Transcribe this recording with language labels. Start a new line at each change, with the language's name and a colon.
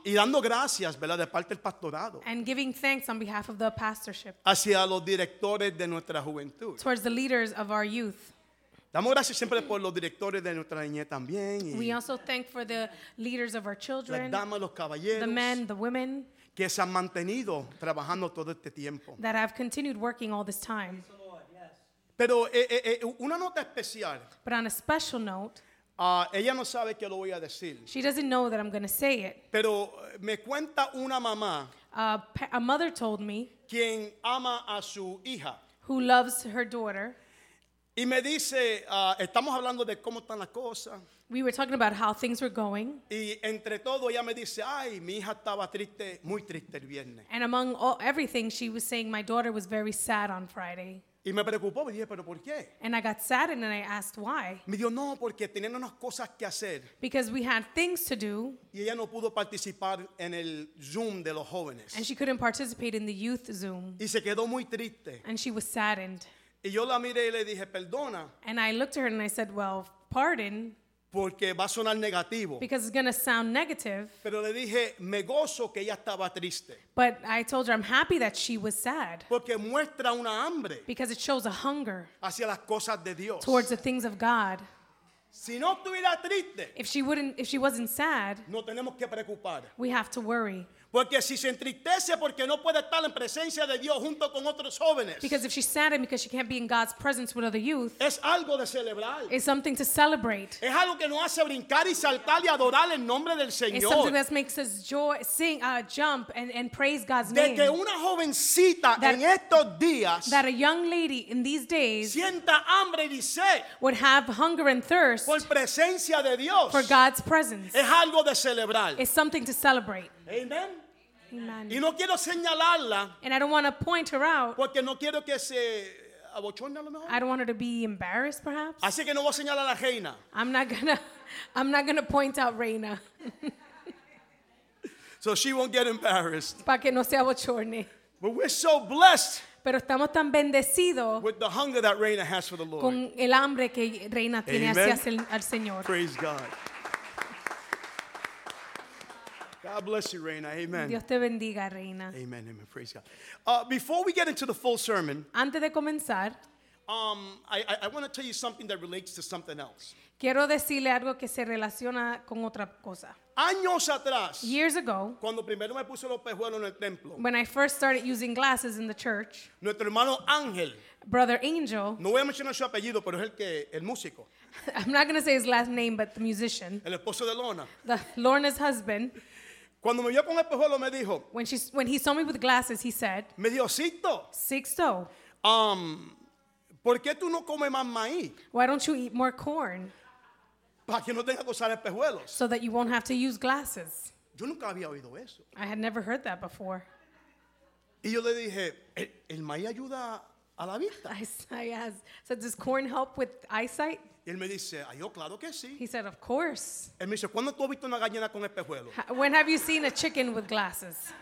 Spanish: Y dando gracias, ¿verdad?, de parte del pastorado,
English: and giving thanks on behalf of the pastorship,
Spanish: hacia los directores de nuestra juventud,
English: towards the leaders of our youth.
Spanish: Damos gracias siempre por los directores de nuestra niñez también.
English: We also thank for the leaders of our children,
Spanish: las damas, los caballeros,
English: the men, the women,
Spanish: que se han mantenido trabajando todo este tiempo.
English: That have continued working all this time.
Spanish: Pero una nota especial.
English: But on a special note.
Spanish: Ella no sabe que lo voy a decir.
English: She doesn't know that I'm going to say it.
Spanish: Pero me cuenta una mamá.
English: A mother told me.
Spanish: Quien ama a su hija.
English: Who loves her daughter.
Spanish: Y me dice, estamos hablando de cómo están las cosas.
English: We were talking about how things were going.
Spanish: Y entre todo ella me dice, ay, mi hija estaba triste, muy triste el viernes.
English: And among all, everything, she was saying my daughter was very sad on Friday.
Spanish: Y me preocupó, me dije, pero ¿por qué?
English: And I got saddened and I asked why.
Spanish: Me dijo, no, porque tenían unas cosas que hacer.
English: Because we had things to do.
Spanish: Y ella no pudo participar en el Zoom de los jóvenes.
English: And she couldn't participate in the youth Zoom.
Spanish: Y se quedó muy triste.
English: And she was saddened.
Spanish: Y yo la miré y le dije, perdona.
English: And I looked at her and I said, well, pardon.
Spanish: Porque va a sonar negativo.
English: Because it's going to sound negative.
Spanish: Pero le dije, me gozo que ella estaba triste.
English: But I told her, I'm happy that she was sad.
Spanish: Porque muestra una hambre.
English: Because it shows a hunger.
Spanish: Hacia las cosas de Dios.
English: Towards the things of God.
Spanish: Si no estuviera triste.
English: If she wasn't sad.
Spanish: No tenemos que preocupar.
English: We have to worry.
Spanish: Porque si se entristece porque no puede estar en presencia de Dios junto con otros jóvenes.
English: Because if she's saddened because she can't be in God's presence with other youth.
Spanish: Es algo de celebrar.
English: It's something to celebrate.
Spanish: Es algo que nos hace brincar y saltar y adorar el nombre del Señor.
English: It's something that makes us joy, sing, jump and praise God's
Spanish: de
English: name.
Spanish: De que una jovencita that, en estos días.
English: That a young lady in these days.
Spanish: Sienta hambre y sed.
English: Would have hunger and thirst.
Spanish: Por presencia de Dios.
English: For God's presence.
Spanish: Es algo de celebrar.
English: It's something to celebrate.
Spanish: Amen.
English: Amen.
Spanish: Y no quiero señalarla.
English: And I don't want to point her out.
Spanish: Porque no quiero que se abochorne a lo mejor.
English: I don't want her to be embarrassed, perhaps.
Spanish: Así que no voy a señalar a la reina.
English: I'm not gonna point out Reina. So she won't get embarrassed.
Spanish: Para que no se abochorne.
English: But we're so blessed.
Spanish: Pero estamos tan bendecidos.
English: With the hunger that Reina has for the Lord.
Spanish: Con el hambre que Reina tiene hacia el Señor.
English: Praise God. God bless you, Reina. Amen.
Spanish: Dios te bendiga, Reina.
English: Amen. Amen. Praise God. Before we get into the full sermon,
Spanish: antes de comenzar,
English: I want to tell you something that relates to something else.
Spanish: Quiero decirle algo que se relaciona con otra cosa. Años atrás,
English: years ago,
Spanish: cuando primero me puse los pejuelos en el templo,
English: when I first started using glasses in the church,
Spanish: nuestro hermano Ángel,
English: brother Angel,
Spanish: no voy a mencionar su apellido, pero es el que el músico.
English: I'm not going to say his last name, but the musician.
Spanish: El esposo de Lorna.
English: The Lorna's husband.
Spanish: Cuando me vio con el espejuelo me dijo.
English: When he saw me with glasses, he said.
Spanish: Me dijo, Sixto.
English: Sixto.
Spanish: ¿Por qué tú no comes más maíz?
English: Why don't you eat more corn?
Spanish: Para que no tenga que usar espejuelos.
English: So that you won't have to use glasses.
Spanish: Yo nunca había oído eso.
English: I had never heard that before.
Spanish: Y yo le dije, ¿el maíz ayuda a la vista?
English: I asked, so does corn help with eyesight?
Spanish: Y él me dice, ay, yo, claro que sí.
English: He said, of course.
Spanish: Él me dice, ¿cuándo tú has visto una gallina con espejuelos?
English: When have you seen a chicken with glasses?